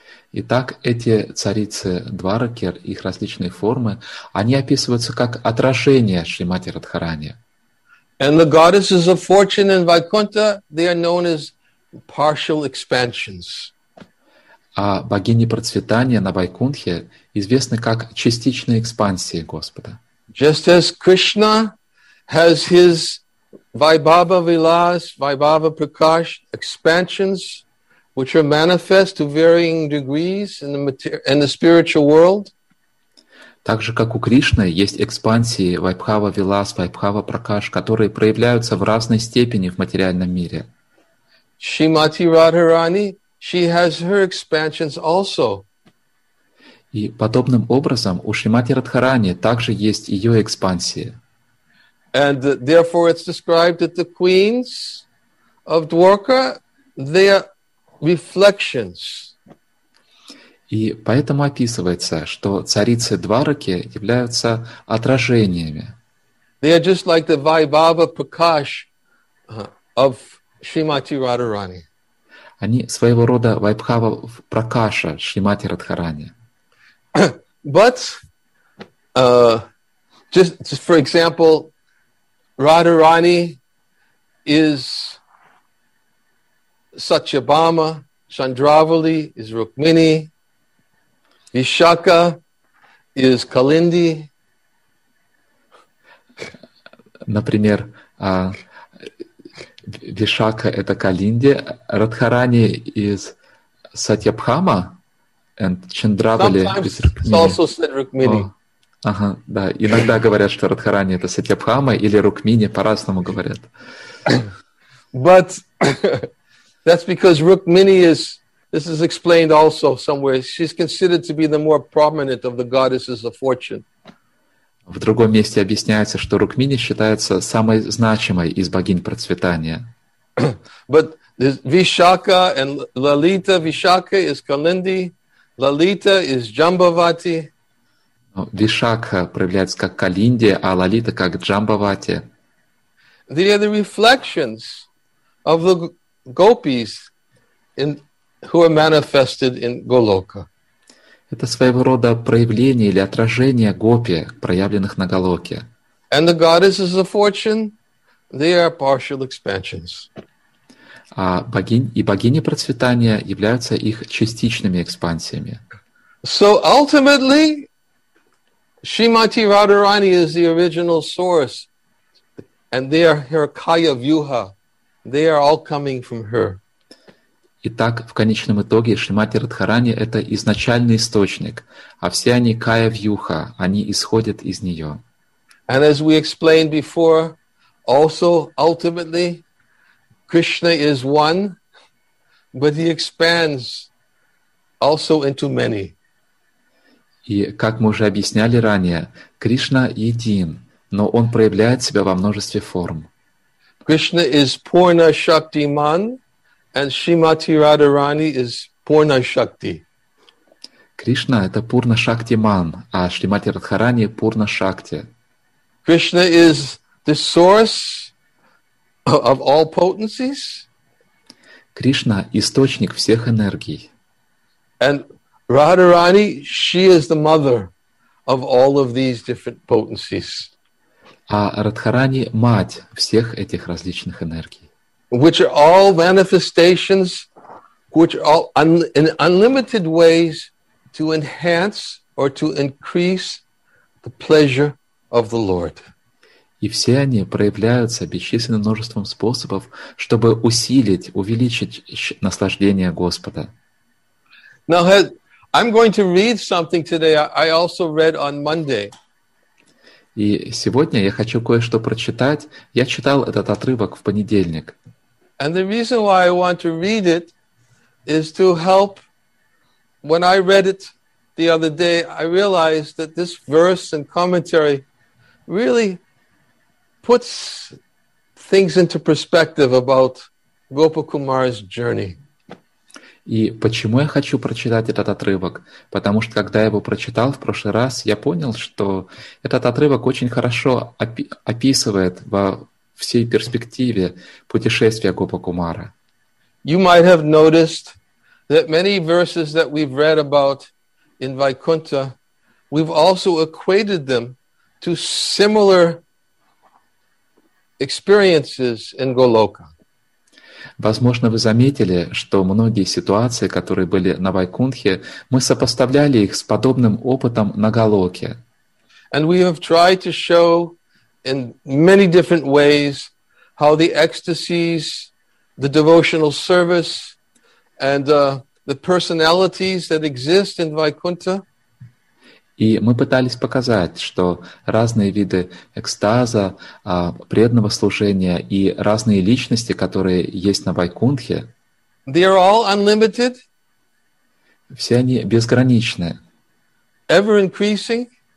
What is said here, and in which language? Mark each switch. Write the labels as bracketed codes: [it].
[ru] Итак, эти царицы Двараки, их различные формы, они описываются как отражение Шримати Радхарани. [en] And the goddesses of fortune in Vaikuntha, they are known as partial expansions. [ru] А богини процветания на Вайкунтхе известны как частичные экспансии Господа. [en] Just as Krishna has his Vaibhava Vilas, Vaibhava Prakash expansions, which are manifest to varying degrees in the material, in the spiritual world. [ru] Так же, как у Кришны, есть экспансии Вайбхава Вилас, Вайбхава Пракаш, которые проявляются в разной степени в материальном мире. [en] Шримати Радхарани, she has her expansions also. [ru] И подобным образом у Шримати Радхарани также есть ее экспансии. [en] And therefore it's described that the queens of Dwarka, they are reflections. [ru] И поэтому описывается, что царицы Двараки являются отражениями. [en] They are just like the Vaibhava Prakash of Srimati Radharani. [ru] Они своего рода Вайбхава Пракаша Шримати Радхарани. [en] But just for example, Radharani is Satyabhama, Chandravali is Rukmini, Vishaka is Kalindi. [ru] Например, Vishaka это Kalindi, [en] Radharani is Satyabhama, and Chandravali is Rukmini. It's also said Rukmini. [ru] Ага, да. Иногда говорят, что Радхарани это Сатьябхама или Рукмини, по-разному говорят. [en] But that's because Rukmini is, this is explained also somewhere, she's considered to be the more prominent of the goddesses of fortune. [ru] В другом месте объясняется, что Рукмини считается самой значимой из богинь процветания. [en] But Vishaka and Lalita, Vishaka is Kalindi, Lalita is Jambavati. [ru] Вишакха проявляется как Калинди, а Лалита как Джамбавати. [en] They are the reflections of the gopis in, who are manifested in Goloka. [ru] Это своего рода проявление или отражение гопи, проявленных на Голоке. [en] And the goddesses of fortune, they are partial expansions. [ru] А богинь и богини процветания являются их частичными экспансиями. [en] So ultimately, Srimati Radharani is the original source, and they are her Kaya Vyuha. They are all coming from her. [ru] Итак, в конечном итоге Шримати Радхарани это изначальный источник, а все они Кая Вьюха, они исходят из нее. [en] And as we explained before, also ultimately, Krishna is one, but he expands also into many. [ru] И как мы уже объясняли ранее, Кришна един, но он проявляет себя во множестве форм. [en] Krishna is Purna Shakti Man, and Srimati Radharani is Purna Shakti. [ru] Кришна это Пурна Шакти Ман, а Шримати Радхарани Пурна Шакти. [en] Krishna is the source of all potencies. [ru] Кришна источник всех энергий. [en] And Radharani, she is the mother of all of these different potencies. [ru] А Радхарани – мать всех этих различных энергий. [en] Which are all manifestations, which are all in unlimited ways to enhance or to increase the pleasure of the Lord. [ru] И все они проявляются бесчисленным множеством способов, чтобы усилить, увеличить наслаждение Господа. [en] Now, I'm going to read something today. I also read on Monday. [ru] И сегодня я хочу кое-что прочитать. Я читал этот отрывок в понедельник. [en] And the reason why I want to read it is to help. When I read it the other day, I realized that this verse and commentary really puts things into perspective about Gopakumar's journey. [ru] И почему я хочу прочитать этот отрывок? Потому что когда я его прочитал в прошлый раз, я понял, что этот отрывок очень хорошо описывает во всей перспективе путешествия Гопакумара. [en] You might have noticed that many verses that we've read about in Vaikuntha, we've also equated them to similar experiences in Goloka. [ru] Возможно, вы заметили, что многие ситуации, которые были на Вайкунтхе, мы сопоставляли их с подобным опытом на Голоке. [en] And we have tried to show in many different ways how the ecstasies, the devotional service, and the personalities that exist in Vaikuntha. [ru] И мы пытались показать, что разные виды экстаза, преданного служения и разные личности, которые есть на Вайкунтхе, [en] they are all unlimited. [ru] Все они безграничны. [en] Ever increasing.